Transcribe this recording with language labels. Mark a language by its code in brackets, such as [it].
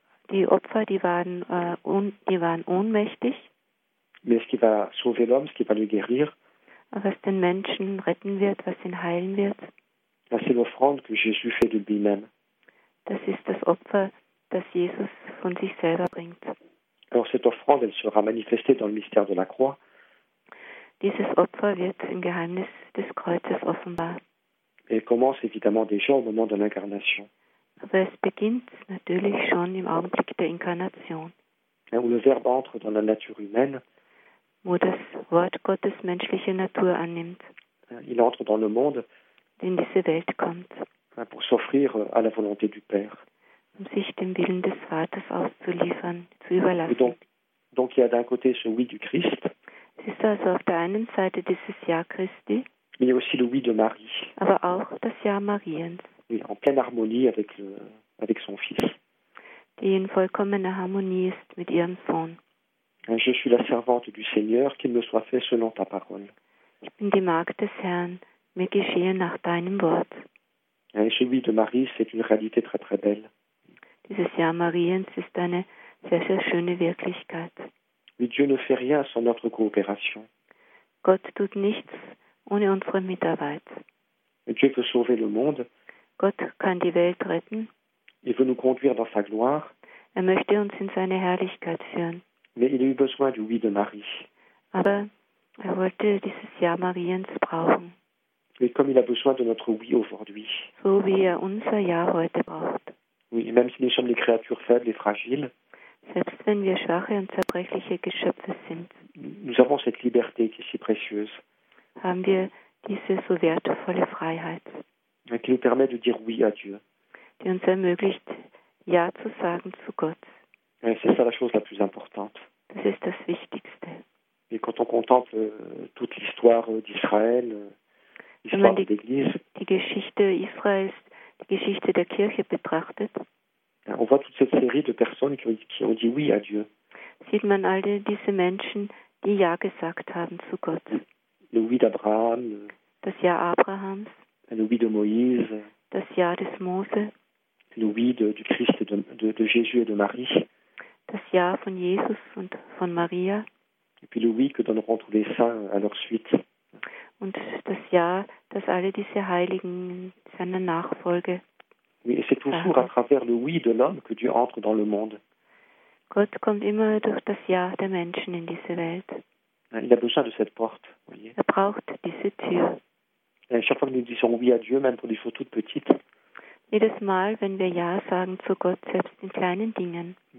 [de] Die Opfer, die waren ohnmächtig. [fr] Mais ce qui va sauver l'homme, ce qui va le guérir. [de] Was den Menschen retten wird, was ihn heilen wird. [fr] Là, c'est l'offrande que Jésus fait de lui-même. [de] Das ist das Opfer, das Jesus von sich selber bringt. [fr] Alors cette offrande, elle sera manifestée dans le mystère de la croix. [de] Dieses Opfer wird im Geheimnis des Kreuzes offenbar. [fr] Et commence évidemment déjà au moment de l'incarnation. [de] Aber es beginnt natürlich schon im Augenblick der Inkarnation. [fr] Et où le Verbe entre dans la nature humaine. [de] Wo das Wort Gottes menschliche Natur annimmt. [fr] Il entre dans le monde. [de] In diese Welt kommt. [fr] Pour s'offrir à la volonté du Père. [de] Um sich dem Willen des Vaters auszuliefern, zu überlassen. [fr] Donc il y a d'un côté ce oui du Christ. [de] Es ist also auf der einen Seite dieses Ja Christi. [fr] Mais il y a aussi le oui de Marie. [de] Aber auch das Ja Mariens. [fr] Oui, en pleine harmonie avec son Fils. [de] Die in vollkommener Harmonie ist mit ihrem Sohn. [fr] Je suis la servante du Seigneur, qu'il me soit fait selon ta parole. [de] Ich bin die Magd des Herrn, mir geschehe nach deinem Wort. [fr] Et ce oui de Marie, c'est une réalité très très belle. [de] Dieses Ja Mariens ist eine sehr, sehr schöne Wirklichkeit. [fr] Mais Dieu ne fait rien sans notre coopération. [de] Gott tut nichts ohne unsere Mitarbeit. [fr] Et Dieu peut sauver le monde. [de] Gott kann die Welt retten. [fr] Il veut nous conduire dans sa gloire. [de] Er möchte uns in seine Herrlichkeit führen. [fr] Mais il a eu besoin du oui de Marie. [de] Aber er wollte dieses Ja Mariens brauchen. [fr] Et comme il a besoin de notre oui aujourd'hui. [de] So wie unser Ja heute braucht. [fr] Oui, et même si nous sommes des créatures faibles et fragiles. [de] Selbst wenn wir schwache und zerbrechliche Geschöpfe sind. [fr] Nous avons cette liberté qui est si précieuse. [de] Haben wir diese so wertvolle Freiheit. [fr] Et qui nous permet de dire oui à Dieu. [de] Die uns ermöglicht, Ja zu sagen zu Gott. [fr] Et c'est ça la chose la plus importante. [de] Das ist das Wichtigste. [fr] Et quand on contemple toute l'histoire d'Israël, l'histoire de l'Église, [de] die Geschichte Israels, die Geschichte der Kirche betrachtet, [fr] on voit toute cette série de personnes qui ont dit oui à Dieu. [de] Sieht man all diese Menschen, die Ja gesagt haben zu Gott. [fr] Le oui d'Abraham. [de] Das Ja Abrahams. [fr] Le oui de Moïse. [de] Das Ja des Mose. [fr] Le oui du Christ, de Jésus et de Marie. [de] Das Ja von Jesus und von Maria. [fr] Et puis le oui que donneront tous les saints à leur suite. [de] Und das Ja, das alle diese Heiligen seiner Nachfolge. [fr] Oui, et c'est toujours à travers le oui de l'homme que Dieu entre dans le monde. [de] Gott kommt immer durch das Ja der Menschen in diese Welt. [fr] Il a besoin de cette porte. Voyez. [de] Er braucht diese Tür. [fr] Et chaque fois que nous disons oui à Dieu, même pour des choses toutes petites. [de] Jedes Mal, wenn wir Ja sagen zu Gott, selbst in kleinen Dingen.